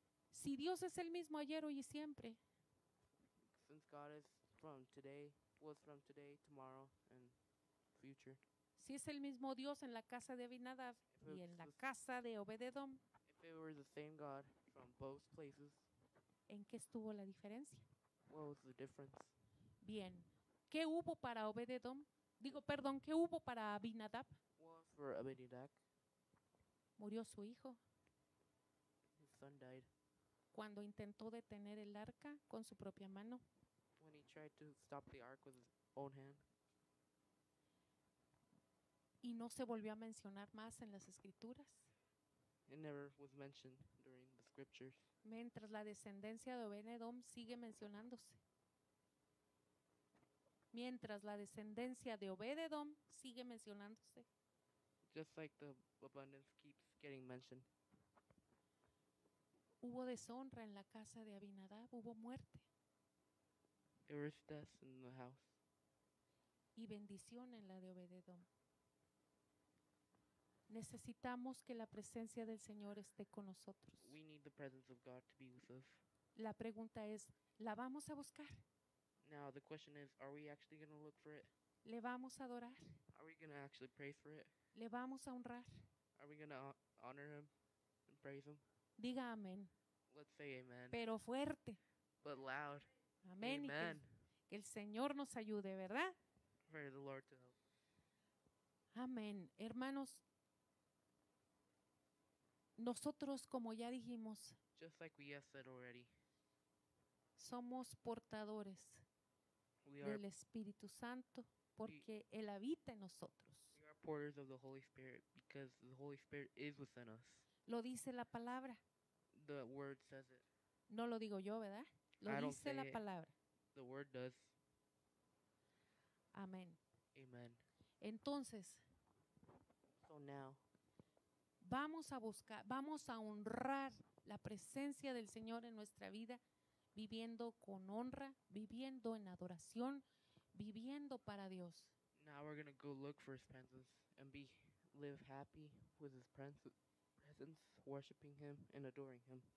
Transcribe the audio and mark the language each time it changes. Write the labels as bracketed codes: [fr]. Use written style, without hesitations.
[es] Si Dios es el mismo ayer, hoy y siempre. [en] Since God is from today, was from today, tomorrow, and future. [es] Si es el mismo Dios en la casa de Abinadab y en la casa de Obed-Edom. [en] If it were the same God from both places. [es] ¿En qué estuvo la diferencia? [en] What was the difference? [es] Bien. ¿Qué hubo para Obed-Edom? Digo, perdón, ¿qué hubo para Abinadab? [en] What was for Abinadab? [es] Murió su hijo. [en] His son died. [es] Cuando intentó detener el arca con su propia mano. [en] When he tried to stop the ark with his own hand. [es] Y no se volvió a mencionar más en las escrituras. [en] It never was mentioned during the scriptures. [es] Mientras la descendencia de Obed-Edom sigue mencionándose. Mientras la descendencia de Obed-Edom sigue mencionándose. [en] Just like the abundance keeps getting mentioned. [es] Hubo deshonra en la casa de Abinadab, hubo muerte. [en] There was death in the house. [es] Y bendición en la de Obed-Edom. Necesitamos que la presencia del Señor esté con nosotros. [en] We need the presence of God to be with us. [es] La pregunta es, ¿la vamos a buscar? [en] Now the question is, are we actually going to look for it? [es] ¿Le vamos a adorar? [en] Are we going to actually pray for it? [es] Le vamos a honrar. [en] Are we going to honor him and praise him? [es] Diga amén. [en] Let's say amen. [es] Pero fuerte. [en] But loud. [es] Amén. [en] Amen. [es] Que el Señor nos ayude, ¿verdad? [en] For the Lord to help. [es] Amén. Hermanos, nosotros, como ya dijimos, [en] just like we have said already, [es] somos portadores del Espíritu Santo porque Él habita en nosotros. [en] Porters of the Holy Spirit, because the Holy Spirit is within us. [es] Lo dice la palabra. [en] The word says it. [es] No lo digo yo, ¿verdad? Lo [en] I [es] dice la [en] it. [es] Palabra. [en] The word does. [es] Amén. [en] Amen. [es] Entonces, [en] so now, [es] vamos a buscar, vamos a honrar la presencia del Señor en nuestra vida, viviendo con honra, viviendo en adoración, viviendo para Dios. [en] Now we're going to go look for his presence and be live happy with his presence, worshiping him and adoring him.